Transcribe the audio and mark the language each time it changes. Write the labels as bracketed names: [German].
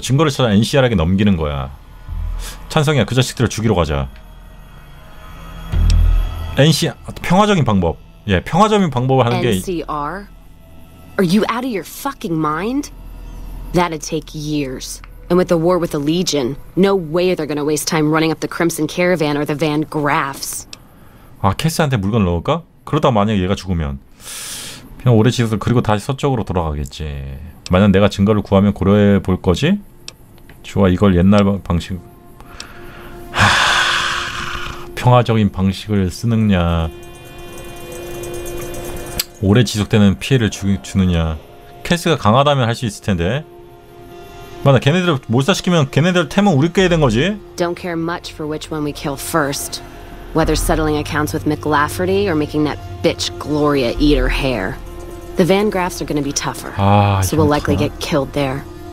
[Korean] 증거를 찾아 NCR에게 넘기는 거야. 찬성이야. 그 자식들을 죽이러 가자. NCR 평화적인 방법. 예, 평화적인 방법을 하는 게 NCR? [English] Are you out of your fucking mind? That'd take years. And with the war with the Legion, no way they're gonna waste time running up the Crimson Caravan or the Van Graffs. [Korean] 아, 캐스한테 물건 넣을까? 그러다 만약 얘가 죽으면 그냥 오래 지내서 그리고 다시 서쪽으로 돌아가겠지. 만약 내가 증거를 구하면 고려해 볼 거지? 좋아, 이걸 옛날 방식. 하, 평화적인 방식을 쓰느냐. 오래 지속되는 피해를 주느냐. 캐스가 강하다면 할 수 있을 텐데. 맞아, 걔네들 몰살시키면 걔네들 템은 우리 꺼야 된 거지. [English] Don't care much for which one we kill first. Whether settling accounts with McLafferty or making that bitch Gloria eat her hair. The Van Graffs are gonna be tougher. [Korean] 아, [English] so we'll likely get killed there.